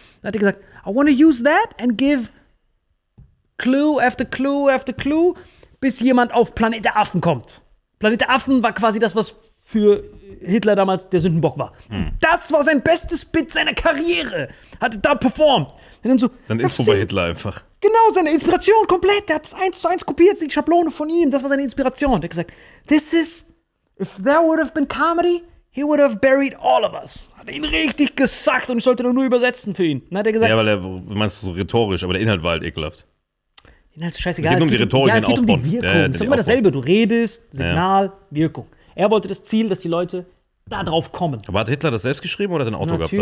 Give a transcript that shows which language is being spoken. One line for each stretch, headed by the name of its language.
German: Dann hat er gesagt,
English: I wanna use that and give Clue after Clue
German: after Clue, bis jemand auf Planet der Affen kommt. Planet der Affen war quasi das, was für Hitler damals der Sündenbock war. Das war sein bestes Bit seiner Karriere. Hat da performt. Dann so, seine Info bei Hitler einfach. Genau, seine Inspiration komplett. Der hat es eins zu eins kopiert, die Schablone von ihm. Das war seine Inspiration. Der hat gesagt,
English: this is, if there would have been comedy, he would have buried all of us.
German: Hat ihn richtig gesackt und ich sollte nur übersetzen für ihn. Dann hat er gesagt, ja, weil er, du meinst so rhetorisch, aber der Inhalt war halt ekelhaft. Das ist scheißegal. Es geht um die Rhetorik, es geht um die Wirkung. Ja, es ist immer dasselbe. Du redest, Signal, Wirkung. Er wollte das Ziel, dass die Leute da drauf kommen. Aber hat Hitler das selbst geschrieben oder hat er ein Auto gehabt?